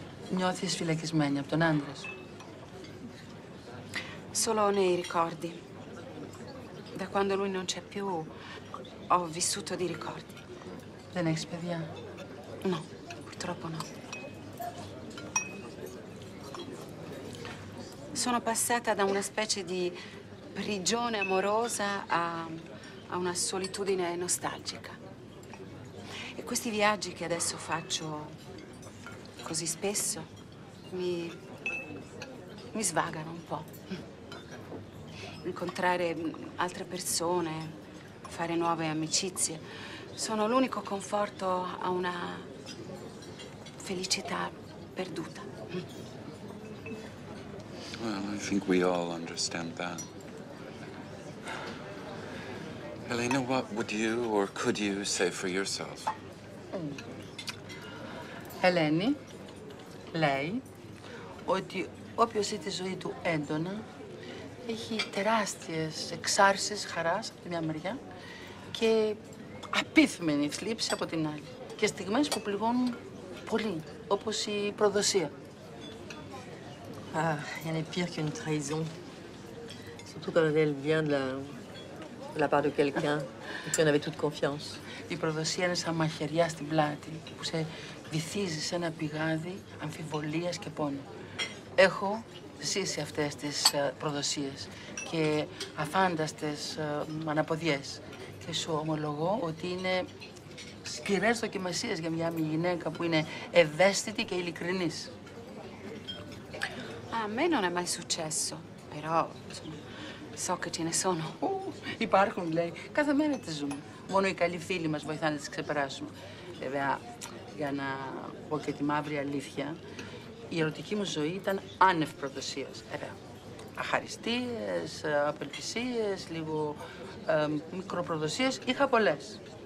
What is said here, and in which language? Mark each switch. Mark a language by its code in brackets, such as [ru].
[el] Νιώθεις φυλακισμένη από τον άντρα σου. [it] Solo nei ricordi. Da quando lui non c'è più, ho vissuto di ricordi. [el] Δεν έχεις παιδιά. [it] No, purtroppo no. Sono passata da una specie di prigione amorosa a una solitudine nostalgica. E questi viaggi che adesso faccio così spesso mi svagano un po'. Incontrare altre persone, fare nuove amicizie, sono l'unico conforto a una felicità perduta. [en] Well, I think we all understand that. Elena, what would you or could you say for yourself? [el] Eleni, lei, ότι όποιος ζει τη ζωή του έντονα, έχει τεράστιες εξάρσεις χαράς από τη μια μεριά και απίθμενη θλίψη από την άλλη. Και στιγμές που πληγώνουν πολύ, όπως η προδοσία. [fr] Ah, rien n'est pire qu'une trahison. Surtout quand elle vient de la part de quelqu'un en qui on avait toute confiance. [el] Η προδοσία είναι σαν μαχαιριά στην πλάτη που σε βυθίζει σε ένα πηγάδι αμφιβολίας και πόνου. Έχω ζήσει αυτές τις προδοσίες και αφάνταστες αναποδιές. Και σου ομολογώ ότι είναι σκληρές δοκιμασίες για μια γυναίκα που είναι ευαίσθητη και ειλικρινής. [it] A me non è mai successo, però insomma, so che ce ne sono. [el] Υπάρχουν, λέει. Κάθε μέρα τη ζούμε. Μόνο οι καλοί φίλοι μας βοηθάνε να τις ξεπεράσουμε. Βέβαια, για να πω και τη μαύρη αλήθεια, η ερωτική μου ζωή ήταν άνευ προδοσίας. Αχαριστίες, απελπισίες, λίγο μικροπροδοσίες. Είχα πολλές.